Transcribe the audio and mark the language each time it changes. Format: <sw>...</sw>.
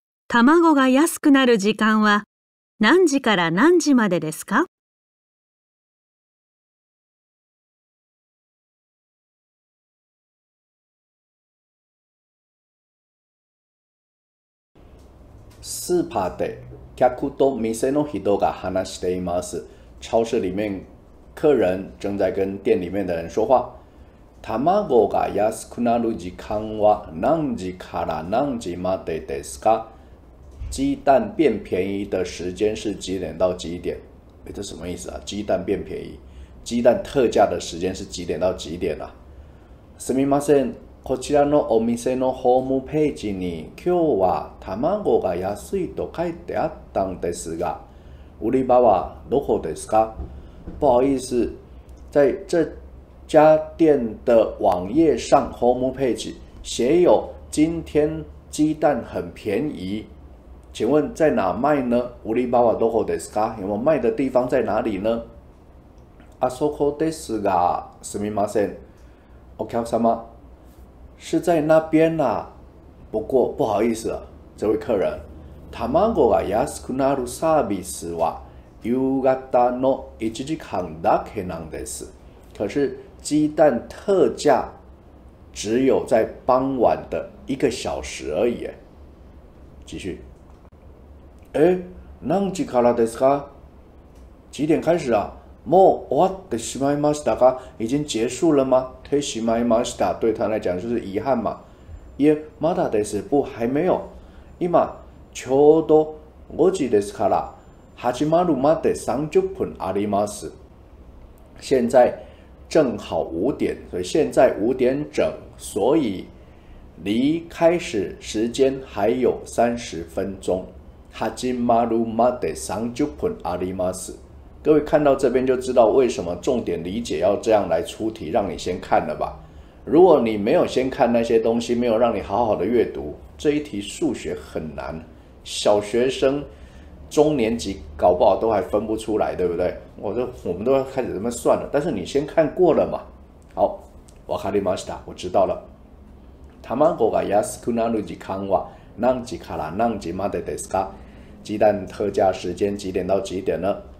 <ja>卵が安くなる時間は何時から何時までですか？スーパーで客と店の人が話しています。</ja> <zh>超市里面客人正在跟店里面的人说话。</zh> <ja>卵が安くなる時間は何時から何時までですか？</ja> <zh>鸡蛋变便宜的时间是几点到几点？哎，这什么意思啊？鸡蛋变便宜，鸡蛋特价的时间是几点到几点啊？</zh> <ja>すみません、こちらのお店のホームページに今日は卵が安いと書いてあったんですが、売り場はどこですか？</ja> <zh>不好意思，在这家店的网页上 home page 写有今天鸡蛋很便宜，请问在哪卖呢？</zh> <ja>売り場はどこですか？</ja> <zh>有没有卖的地方在哪里呢？</zh> <ja>あそこですが、すみません。お客様、</ja> <zh>是在那边呐、啊。不过不好意思、啊，这位客人，</zh> <ja>卵が安くなるサービスは夕方の1時間だけなんです。</ja> <zh>可是鸡蛋特价只有在傍晚的一个小时而已耶。继续。</zh> <ja>え、何時からですか？</ja> <zh>几点开始啊？</zh> <ja>もう終わってしまいましたか？</ja> <zh>已经结束了吗？</zh> <ja>てしまいました。</ja> <zh>对他来讲就是遗憾嘛。</zh> <ja>え、まだです。</ja> <zh>不，还没有。</zh> <ja>今ちょうど5時ですから。始まるまで30分あります。</ja> <zh>现在正好五点，所以现在五点整，所以离开始时间还有30分钟。</zh> <ja>始まるまで30分あります。</ja> <zh>各位看到这边就知道为什么重点理解要这样来出题，让你先看了吧。如果你没有先看那些东西，没有让你好好的阅读，这一题数学很难，小学生中年级搞不好都还分不出来，对不对？我们都要开始这么算了，但是你先看过了嘛。好，</zh> <ja>わかりました，</ja> <zh>我知道了。</zh> <ja>卵が安くなる時間は何時から何時までですか？</ja> <zh>鸡蛋特价时间几点到几点呢？</zh>